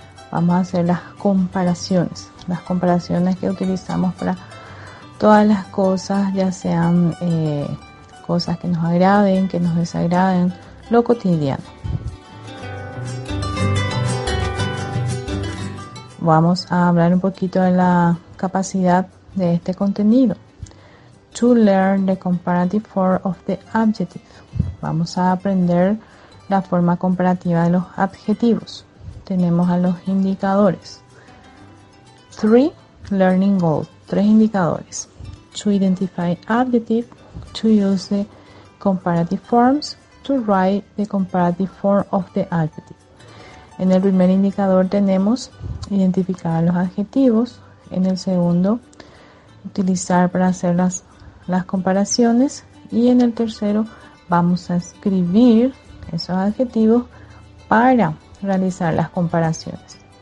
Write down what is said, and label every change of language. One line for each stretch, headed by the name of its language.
Spanish: Vamos a hacer las comparaciones que utilizamos para todas las cosas, ya sean cosas que nos agraden, que nos desagraden, lo cotidiano. Vamos a hablar un poquito de la capacidad de este contenido.
English: To learn the comparative form of the adjective.
Spanish: Vamos a aprender la forma comparativa de los adjetivos. Tenemos a los indicadores.
English: Three learning goals.
Spanish: Tres indicadores.
English: To identify adjective. To use the comparative forms. To write the comparative form of the adjective.
Spanish: En el primer indicador tenemos identificar los adjetivos. En el segundo, utilizar para hacer las comparaciones, y en el tercero vamos a escribir esos adjetivos para realizar las comparaciones.